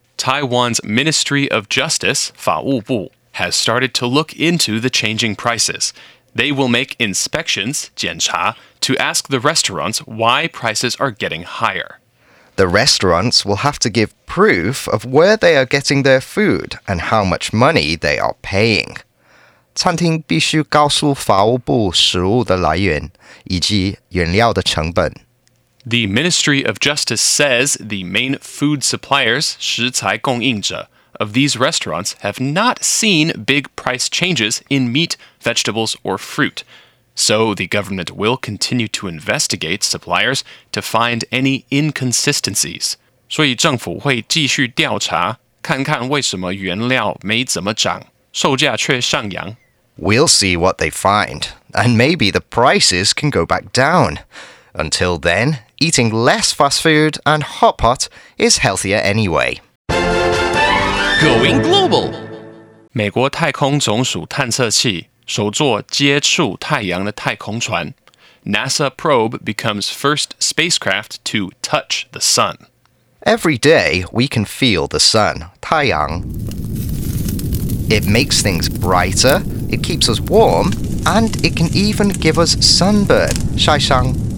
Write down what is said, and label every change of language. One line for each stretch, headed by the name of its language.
English: Taiwan's Ministry of Justice, 法务部, has started to look into the changing prices. They will make inspections, 检查, to ask the restaurants why prices are getting higher. The restaurants will have to give proof of where they are getting their food and how much money they are paying.
Chinese: 餐厅必须告诉法务部食物的来源以及原料的成本。
English: The Ministry of Justice says the main food suppliers, 食材供应者, of these restaurants have not seen big price changes in meat, vegetables, or fruit. So the government will continue to investigate suppliers to find any inconsistencies.
Chinese: 所以政府会继续调查,看看为什么原料没怎么涨,售价却上扬。
English: We'll see what they find, and maybe the prices can go back down. Until then, eating less fast food and hot pot is healthier anyway. Going global!
Chinese: 美国太空总署探测器首座接触太阳的太空船
English: NASA probe becomes first spacecraft to touch the sun. Every day, we can feel the sun, 太阳.It makes things brighter, it keeps us warm, and it can even give us sunburn, 晒伤.